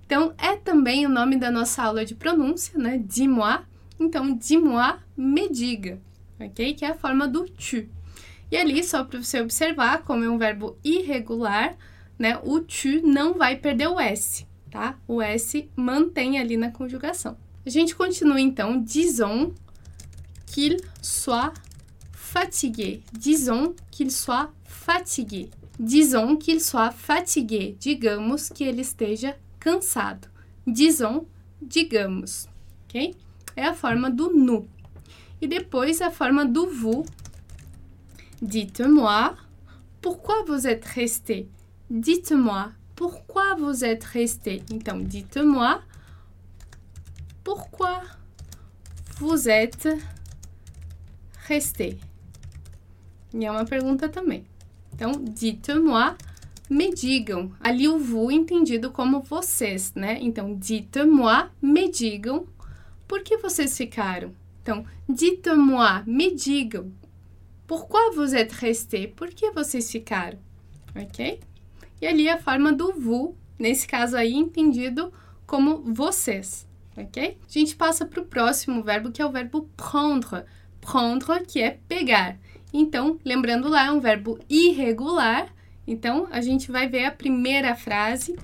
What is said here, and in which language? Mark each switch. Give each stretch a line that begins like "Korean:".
Portuguese: Então, é também o nome da nossa aula de pronúncia, né?
French: Dis-moi.
Portuguese: Então,
French: dis-moi,
Portuguese: me diga. Ok? Que é a forma do tu. E ali, só para você observar, como é um verbo irregular, né? O tu não vai perder o S, tá? O S mantém ali na conjugação. A gente continua então.
French: Disons qu'il soit fatigué. Disons qu'il soit fatigué. Disons qu'il soit fatigué.
Portuguese: Digamos que ele esteja cansado.
French: Disons,
Portuguese: digamos. Ok? É a forma do nu. E depois a forma do vous.
French: Dites-moi, pourquoi vous êtes resté? Dites-moi, pourquoi vous êtes resté?
Portuguese: Então,
French: dites-moi, pourquoi vous êtes resté?
Portuguese: E é uma pergunta também. Então,
French: dites-moi,
Portuguese: me digam. Ali o vous entendido como vocês, né? Então,
French: dites-moi,
Portuguese: me digam, por que vocês ficaram? Então,
French: dites-moi,
Portuguese: me digam,
French: pourquoi vous êtes restés?
Portuguese: Por que vocês ficaram? Ok? E ali a forma do vous, nesse caso aí, entendido como vocês, ok? A gente passa para o próximo verbo, que é o verbo prendre. Prendre, que é pegar. Então, lembrando lá, é um verbo irregular. Então, a gente vai ver a primeira frase.